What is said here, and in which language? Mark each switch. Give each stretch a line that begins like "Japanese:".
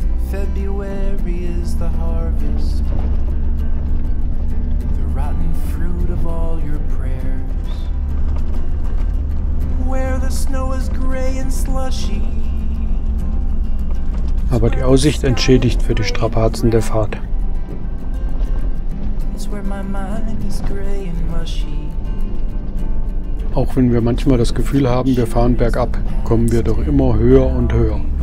English: February is the harvest, the rotten fruit of all your prayers. Where the snow is gray and slushy.
German: Aber die Aussicht entschädigt für die Strapazen der Fahrt.
English: It's where my mind is gray and mushy.
German: Auch wenn wir manchmal das Gefühl haben, wir fahren bergab, kommen wir doch immer höher und höher.